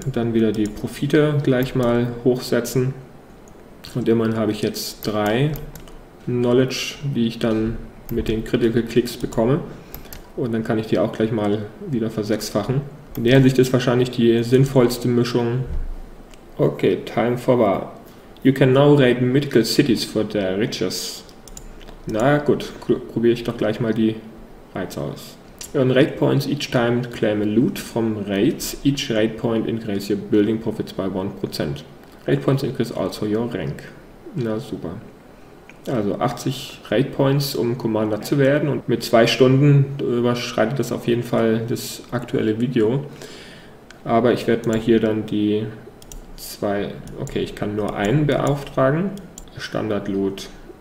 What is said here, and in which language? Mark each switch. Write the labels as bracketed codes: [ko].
[de] Dann wieder die Profite gleich mal hochsetzen. Und immerhin habe ich jetzt 3 Knowledge, die ich dann mit den Critical Clicks bekomme. Und dann kann ich die auch gleich mal wieder versechsfachen. In der Hinsicht ist wahrscheinlich die sinnvollste Mischung. [en] Okay, time for war. You can now raid mythical cities for their riches. [de] Na gut, probiere ich doch gleich mal die Raids aus. [en] Earn raid points each time, claim a loot from raids. Each raid point increase your building profits by 1%. Raid points increase also your rank. [de] Na super. Also 80 Raid Points, um Commander zu werden, und mit 2 Stunden überschreitet das auf jeden Fall das aktuelle Video. Aber ich werde mal hier dann die 2, okay, ich kann nur einen beauftragen, Standard Loot.